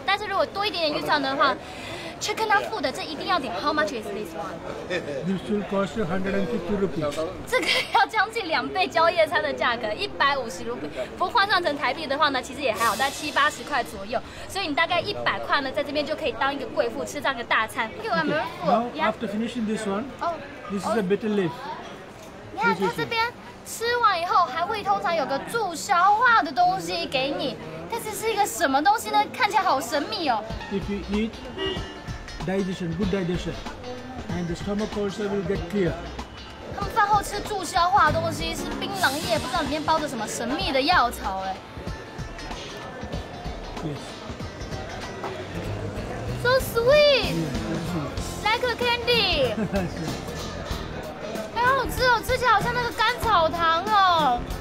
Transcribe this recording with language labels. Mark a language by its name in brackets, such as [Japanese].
[Chinese] 但是如果多一点点预算的话，却跟他付的这一定要点。 [English] How much is this one? This will cost 150 rupees. [Chinese] 这个要将近两倍宵夜餐的价格，150 rupees。不换算成台币的话呢，其实也还好，在70-80块左右。所以你大概100块呢，在这边就可以当一个贵妇吃这样的大餐。 [English] Okay. Now after finishing this one, this is a bitter leaf. [Chinese] Yeah, 他这边吃完以后还会通常有个助消化的东西给你。但是是一个什么东西呢？看起来好神秘哦。 [English] If you eat digestion, good digestion, and the stomach also will get clear. [Chinese] 他们饭后吃助消化的东西是槟榔叶，不知道里面包着什么神秘的药草哎。 [English] Yes. So sweet. Yes, like a candy. [Chinese] 好好吃哦，吃起来好像那个甘草糖哦。